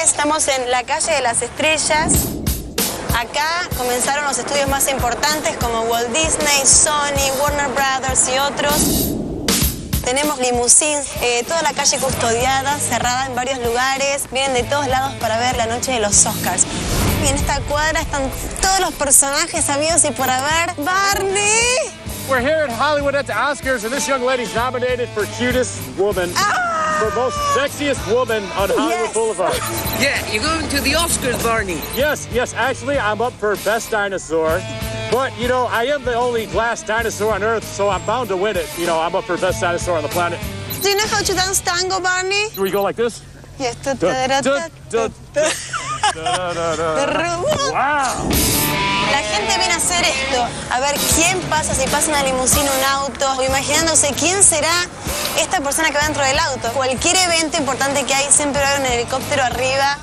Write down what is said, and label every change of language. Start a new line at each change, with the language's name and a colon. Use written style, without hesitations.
Spanish: Estamos en la calle de las estrellas. Acá comenzaron los estudios más importantes como Walt Disney, Sony, Warner Brothers y otros. Tenemos limusines, toda la calle custodiada, cerrada en varios lugares. Vienen de todos lados para ver la noche de los Oscars. Y en esta cuadra están todos los personajes sabidos y por haber.
English: ¡Barney! We're here at Hollywood at the Oscars, and this young lady's nominated for cutest woman. For most sexiest woman on Hollywood Boulevard. Yeah, you're going to the Oscars, Barney. Yes, yes, actually, I'm up for best dinosaur. But, you know, I am the only glass dinosaur on Earth, so I'm bound to win it. You know, I'm up for best dinosaur on the planet. Do you know how to dance tango, Barney? Do we go like this? Yes. Wow!
Spanish: La gente viene a hacer esto, a ver quién pasa, si pasa una limusina, un auto, o imaginándose quién será esta persona que va dentro del auto. Cualquier evento importante que hay, siempre va a haber un helicóptero arriba.